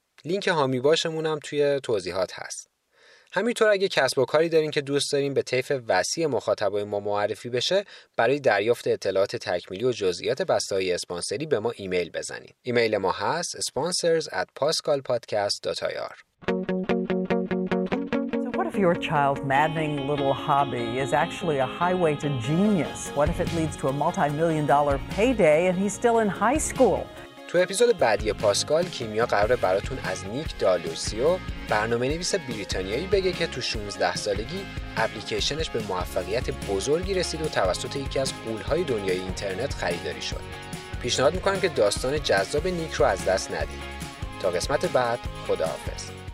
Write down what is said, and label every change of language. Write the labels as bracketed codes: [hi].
[fa] لینک هامی باشمون هم توی توضیحات هست. همینطور اگه کسب و کاری دارین که دوست دارین به طیف وسیع مخاطبای ما معرفی بشه، برای دریافت اطلاعات تکمیلی و جزئیات بستهای اسپانسری به ما ایمیل بزنین. ایمیل ما هست sponsors@pascalpodcast.ir. [en] Your child's maddening little hobby is actually a highway to genius. What if it leads to a multi-million dollar payday and he's still in high school? [fa] تو اپیزود بعدی پاسکال کیمیا قراره براتون از نیک دالوسیو، برنامه‌نویس بریتانیایی بگه که تو 16 سالگی اپلیکیشنش به موفقیت بزرگی رسید و توسط یکی از قول‌های دنیای اینترنت خریداری شد. پیشنهاد می‌کنم که داستان جذاب نیک رو از دست ندید. تا قسمت بعد خداحافظ.